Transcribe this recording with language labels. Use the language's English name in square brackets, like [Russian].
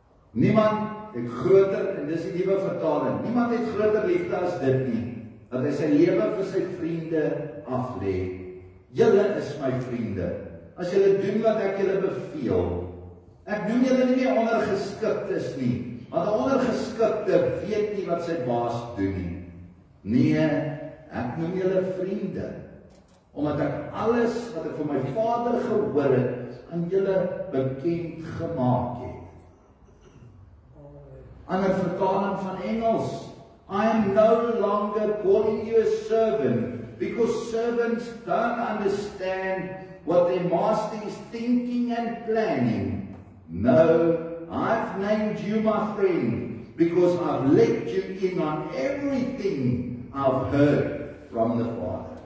[Afrikaans] Niemand het groter, en dis die nuwe vertaling, niemand het groter liefde as dit nie, dat hy sy lewe vir sy vriende aflê. Julle is my vriende, as julle doen wat ek julle beveel. Ek noem julle nie ondergeskiktes nie, want 'n ondergeskikte weet nie wat sy baas doen nie. Nee, ek noem julle vriende, omdat ek alles wat ek van my Vader gehoor het, aan julle bekend gemaak het. Ander vertaling van Engels, [English] I am no longer calling you a servant, because servants don't understand what their master is thinking and planning. No, I've named you my friend, because I've let you in on everything I've heard from the Father.